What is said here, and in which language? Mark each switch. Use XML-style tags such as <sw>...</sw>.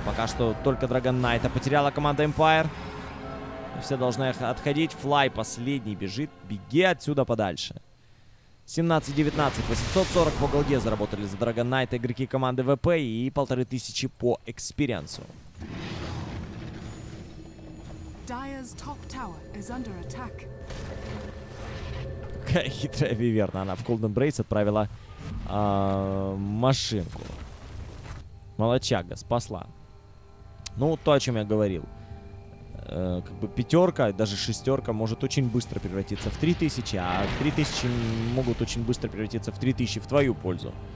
<ru>Пока что только Драгон Найта потеряла команда Empire. Все должны отходить. Флай последний бежит. Беги отсюда подальше. 17-19. 840 по голде заработали за Dragon Knight игроки команды ВП и 1500 по экспириенсу.</ru> <en>Dire's top tower is under attack.</en> <ru>Какая хитрая виверна. Она в Cold Embrace отправила машинку. Молодчага, спасла. Ну, то, о чем я говорил. Как бы пятерка, даже шестерка может очень быстро превратиться в 3000, а 3000 могут очень быстро превратиться в 3000 в твою пользу.</ru>